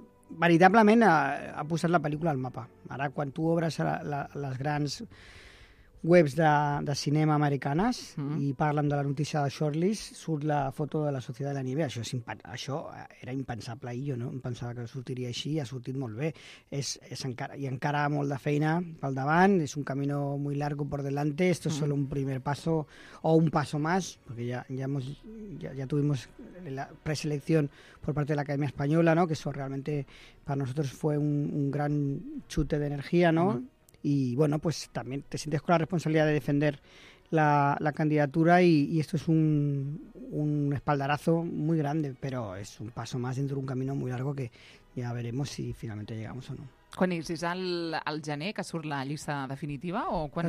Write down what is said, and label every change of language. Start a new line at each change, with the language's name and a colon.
Catalan: Veritablement ha posat la pel·lícula al mapa. Ara, quan tu obres les grans... webs de cinema americanes i parlen de la notícia de Shortlist, surt la foto de la Societat de la Nieve. Això era impensable ahir, jo no em pensava que sortiria així i ha sortit molt bé. Encara molt de feina pel davant,
Spanish: és un camino muy largo por delante, esto es solo un primer paso o un paso más, porque ya tuvimos la preselección por parte de la Academia Española, ¿no? Que eso realmente para nosotros fue un gran chute de energía, ¿no? Y bueno, pues también te sientes con la responsabilidad de defender la candidatura y esto es un espaldarazo muy grande, pero es un paso más dentro de un camino muy largo que ya veremos si finalmente llegamos o no.
Catalan: ¿Quan és? ¿És al gener que surt la llista definitiva o quan